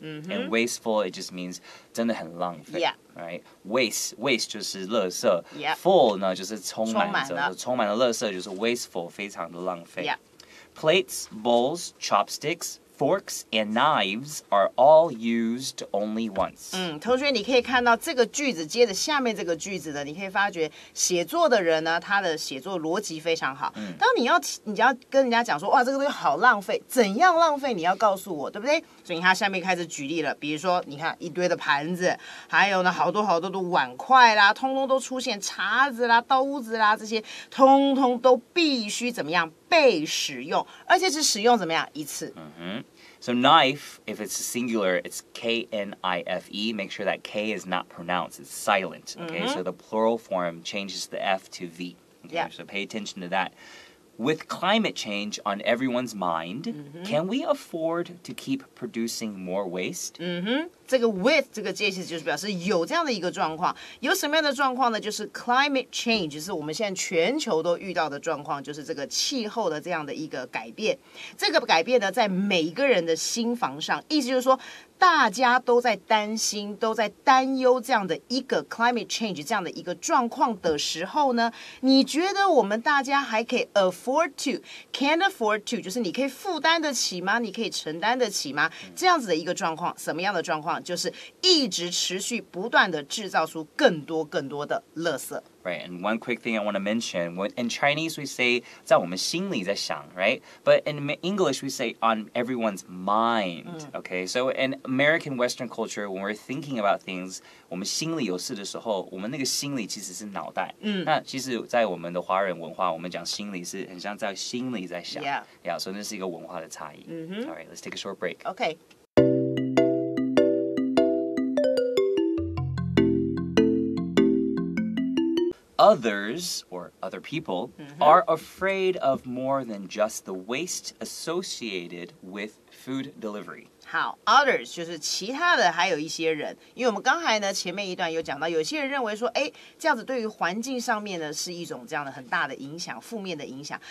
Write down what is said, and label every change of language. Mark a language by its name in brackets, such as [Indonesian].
[English] And wasteful, it just means [Chinese] 真的很浪费。 [English] Yeah. Right, waste [Chinese] 就是垃圾、 [English] yep. [Chinese] Full 呢就是充满着充满了，充满了垃圾就是 wasteful， 非常的浪费、 [English] yep. Plates, bowls, chopsticks, Forks and knives are all used only once. [Chinese] 同学，你可以看到这个句子接着下面这个句子的，你可以发觉写作的人呢，他的写作逻辑非常好。当你要跟人家讲说，哇，这个东西好浪费，怎样浪费？你要告诉我，对不对？所以他下面开始举例了，比如说，你看一堆的盘子，还有呢好多好多的碗筷啦，通通都出现叉子啦、刀子啦，这些通通都必须怎么样？被使用，而且只使用怎么样一次。 [English] So knife, if it's singular, it's K-N-I-F-E. Make sure that K is not pronounced. It's silent. Okay, so the plural form changes the F to V. Okay, yeah. So pay attention to that. With climate change on everyone's mind, can we afford to keep producing more waste? [Chinese] 这个 with 这个介词就是表示有这样的一个状况，有什么样的状况呢？就是 climate change， 是我们现在全球都遇到的状况，就是这个气候的这样的一个改变。这个改变呢，在每一个人的心房上，意思就是说，大家都在担心，都在担忧这样的一个 climate change 这样的一个状况的时候呢，你觉得我们大家还可以 afford to， can afford to， 就是你可以负担得起吗？你可以承担得起吗？这样子的一个状况，什么样的状况？就是一直持续不断地制造出更多更多的垃圾。 [English] Right, and one quick thing I want to mention. In Chinese, we say [Chinese] 在我们心里在想 [English] right? But in English, we say on everyone's mind. Okay, so in American Western culture, when we're thinking about things, [Chinese] 我们心里有事的时候，我们那个心里其实是脑袋。那其实，在我们的华人文化，我们讲心里是很像在心里在想。 [English] Yeah, [Chinese] so 那是一个文化的差异。 [English] All right, let's take a short break. Okay. Others, or other people, are afraid of more than just the waste associated with food delivery. [Chinese] 好 ,others, 就是其他的还有一些人。因为我们刚才呢前面一段有讲到有些人认为说哎这样子对于环境上面呢是一种这样的很大的影响负面的影响。